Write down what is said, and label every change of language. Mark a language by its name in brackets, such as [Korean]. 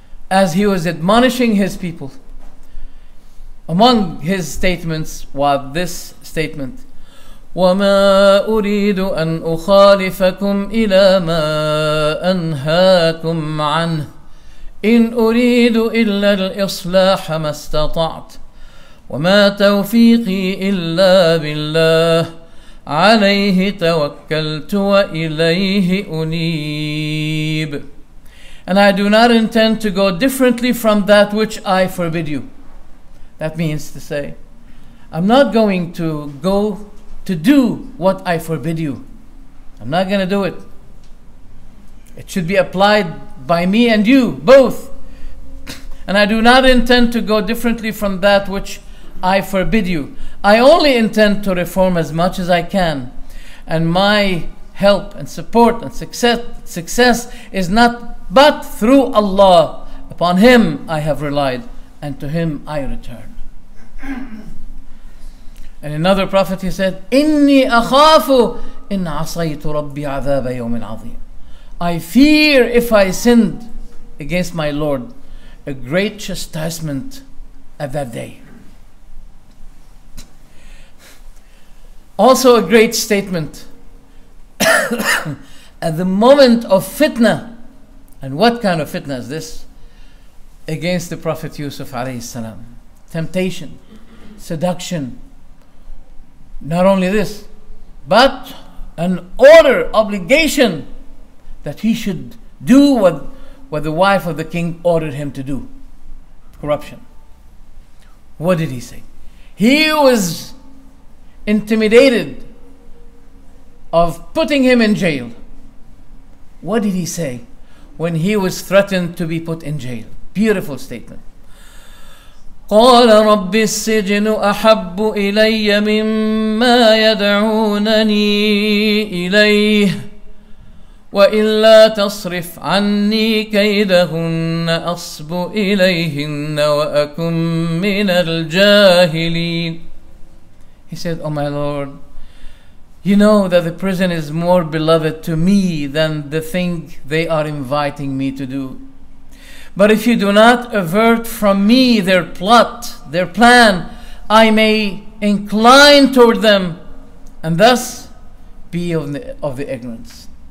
[English] As he was admonishing his people, among his statements was this statement, [Arabic] وَمَا أُرِيدُ أَنْ أُخَالِفَكُمْ إِلَى مَا أَنْهَاكُمْ عَنْهُ إن أريد إلا الإصلاح ما استطعت وما توفيقي إلا بالله عليه توكلت وإليه أنيب. [English] And I do not intend to go differently from that which I forbid you. That means to say, I'm not going to go to do what I forbid you. I'm not going to do it. It should be applied by me and you, both. And I do not intend to go differently from that which I forbid you. I only intend to reform as much as I can. And my help and support and success is not but through Allah. Upon Him I have relied, and to Him I return. And another prophet, he said, [Arabic] إِنِّي أَخَافُ إِنْ عَصَيْتُ رَبِّي عَذَابَ يَوْمٍ عَظِيمٍ. [English] I fear if I sinned against my Lord a great chastisement at that day. Also a great statement. At the moment of fitna, and what kind of fitna is this? Against the Prophet Yusuf alayhi salam. Temptation, seduction. Not only this, but an order, obligation, that he should do what the wife of the king ordered him to do. Corruption. What did he say? He was intimidated of putting him in jail. What did he say when he was threatened to be put in jail? Beautiful statement. [Arabic] قال رب السجن أحب إلي مما يدعونني إليه وإلا تصرف عني كيدهن أصب إليهن وأكن من الجاهلين. [English] He said, O my Lord, you know that the prison is more beloved to me than the thing they are inviting me to do. But if you do not avert from me their plot, their plan, I may incline toward them and thus be of the ignorance.